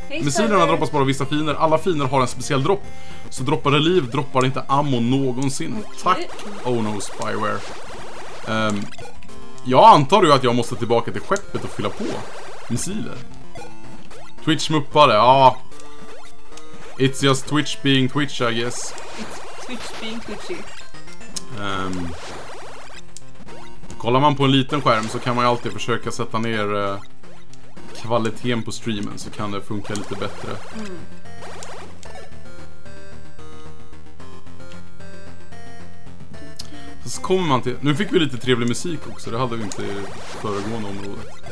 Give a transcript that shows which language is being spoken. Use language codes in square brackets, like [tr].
[sv] Missilerna droppas bara av vissa fiender. Alla fiender har en speciell dropp. Så droppar det liv, droppar inte ammo någonsin. Okay. Tack Jono Spyware. Jag antar ju att jag måste tillbaka till skeppet och fylla på missiler. Twitch muppade, ja. [en] It's just Twitch being Twitch, I guess. It's Twitch being Twitchy. [sv] Kollar man på en liten skärm så kan man ju alltid försöka sätta ner kvaliteten på streamen så kan det funka lite bättre. Mm. Så kommer man till... Nu fick vi lite trevlig musik också, det hade vi inte i föregående området.